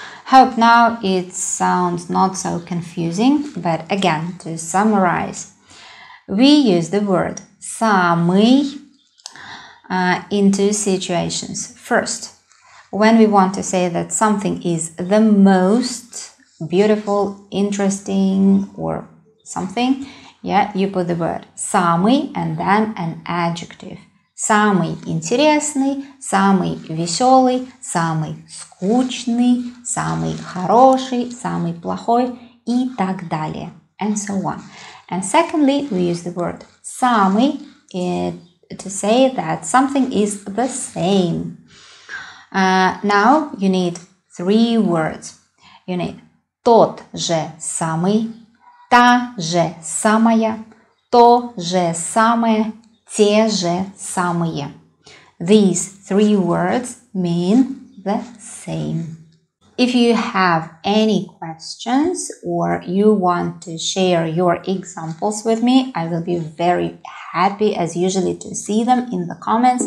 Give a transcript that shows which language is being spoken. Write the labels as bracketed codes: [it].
[en] Hope now it sounds not so confusing, but again, to summarize, we use the word самый in two situations. First, when we want to say that something is the most beautiful, interesting, or something, yeah, you put the word самый and then an adjective. [ru] Самый интересный, самый веселый, самый скучный, самый хороший, самый плохой и так далее. [en] And so on. And secondly, we use the word самый to say that something is the same. Now you need three words. You need [ru] тот же самый, та же самая, то же самое, те же самые. [en] These three words mean the same. If you have any questions or you want to share your examples with me, I will be very happy as usually to see them in the comments.